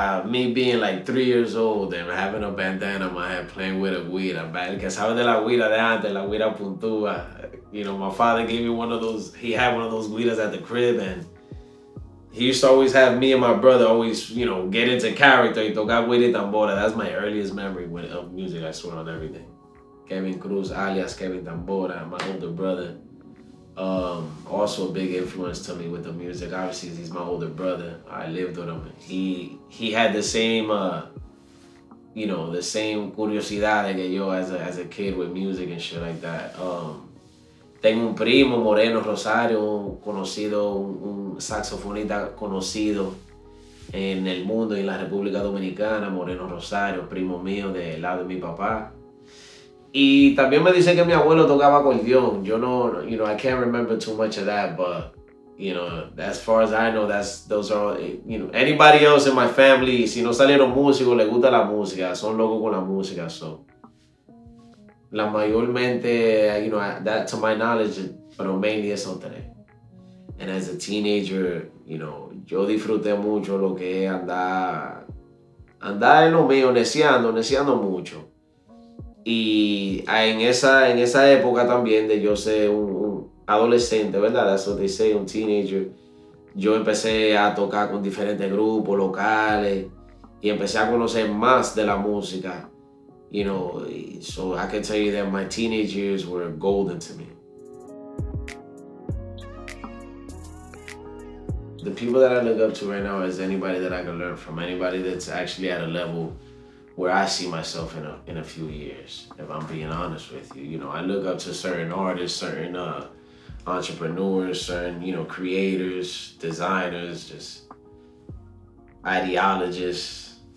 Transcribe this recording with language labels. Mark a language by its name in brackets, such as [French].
[English] Me being like 3 years old and having a bandana in my head playing with a guira, man. [Spanish] Que sabes de la guira de antes, la guira puntúa. [English] You know, my father gave me one of those, he had one of those guiras at the crib, and he used to always have me and my brother always, you know, get into character [Spanish] y tocar guira y tambora. [English] That's my earliest memory of music, I swear, on everything. Kevin Cruz, alias Kevin Tambora, my older brother. Also a big influence to me with the music. Obviously, he's my older brother. I lived with him. He had the same, you know, the same [Spanish] curiosidad que yo [English] as a kid with music and shit like that. [Spanish] Tengo un primo, Moreno Rosario, conocido, un saxofonista conocido en el mundo y en la República Dominicana, Moreno Rosario, primo mío del lado de mi papá. Y también me dicen que mi abuelo tocaba acordeón. Yo no, [English] you know, I can't remember too much of that, but, you know, as far as I know, those are, you know, anybody else in my family, [Spanish] si no salieron músicos, les gusta la música, [English] son locos con la música, so. [Spanish] La mayormente, [English] you know, that to my knowledge, [Spanish] pero [English] mainly [Spanish] es otra. [English] And as a teenager, you know, [Spanish] yo disfruté mucho lo que es andar en lo mío, neciando mucho. Y en esa época también de yo ser un adolescente, ¿verdad? [English] That's what they say, [Spanish] un teenager. Yo empecé a tocar con diferentes grupos locales y empecé a conocer más de la música. [English] You know, so I can tell you that my teenage years were golden to me. The people that I look up to right now is anybody that I can learn from, anybody that's actually at a level where I see myself in a few years, if I'm being honest with you. You know, I look up to certain artists, certain entrepreneurs, certain, you know, creators, designers, just ideologists.